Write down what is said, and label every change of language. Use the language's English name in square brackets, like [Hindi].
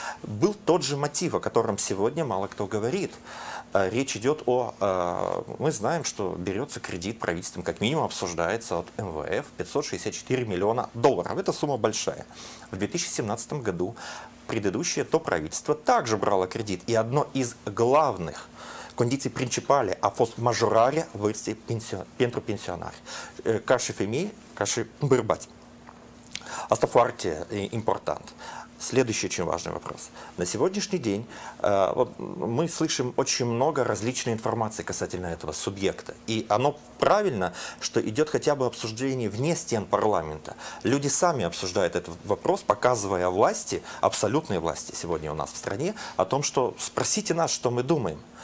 [Russian] Был тот же мотив, о котором сегодня мало кто говорит. Речь идет о... Мы знаем, что берется кредит правительством, как минимум обсуждается от МВФ, 564 миллиона долларов. Это сумма большая. В 2017 году предыдущее то правительство также брало кредит. И одно из главных [Romanian] condiții principale a fost majorarea vârstei pentru pensionari, ca și femei, ca și bărbați. Asta foarte important. [Russian] Следующий очень важный вопрос. На сегодняшний день мы слышим очень много различной информации касательно этого субъекта. И оно правильно, что идет хотя бы обсуждение вне стен парламента. Люди сами обсуждают этот вопрос, показывая власти, абсолютной власти сегодня у нас в стране, о том, что спросите нас, что мы думаем.